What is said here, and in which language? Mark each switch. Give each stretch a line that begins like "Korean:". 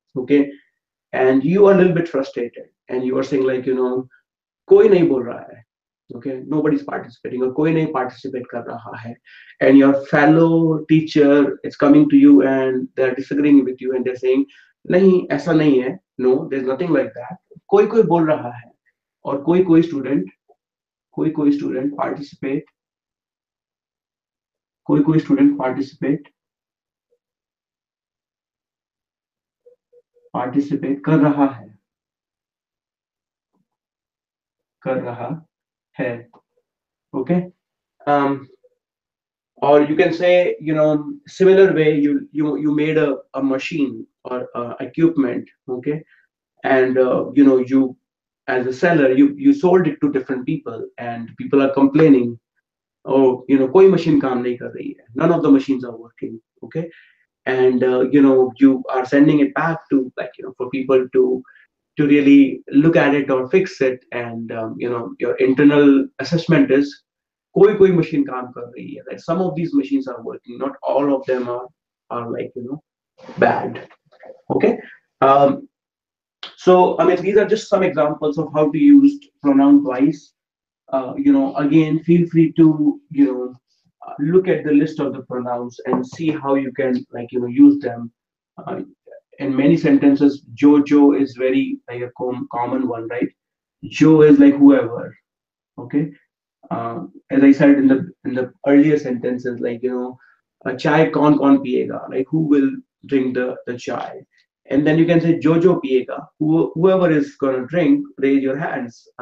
English: Okay, and you are a little bit frustrated and you are saying like, you know,
Hindi: koi nahi bol raha hai.
English: Okay, nobody's participating or
Hindi: koi nahi participate kar raha hai,
English: and your fellow teacher is coming to you and they're disagreeing with you and they're saying,
Hindi: नहीं ऐसा नहीं है.
English: No, there is nothing like that.
Hindi: कोई कोई बोल रहा है और कोई कोई स्टूडेंट पार्टिसिपेट कर रहा है.
English: okay, or you can say, you know, similar way, you made a machine or equipment, okay, and you know, you as a seller, you sold it to different people and people are complaining, oh, you know,
Hindi: koi machine kaam nahi kar rahi hai,
English: none of the machines are working, okay, and you know, you are sending it back to, like, you know, for people to really look at it or fix it, and you know, your internal assessment is
Hindi: कोई कोई machine काम कर रही है,
English: Like some of these machine are working, not all of them are like you know bad. Okay, so I mean these are just some examples of how to use pronoun twice. You know again feel free to you know look at the list of the pronouns and see how you can like you know use them in many sentences. Jojo is very like a common one, right? Joe is like whoever. Okay, as I said in the earlier sentences, like you know a
Hindi: chai kon kon piega,
English: like who will drink the chai, and then you can say
Hindi: Jojo piega,
English: whoever is gonna drink raise your hands.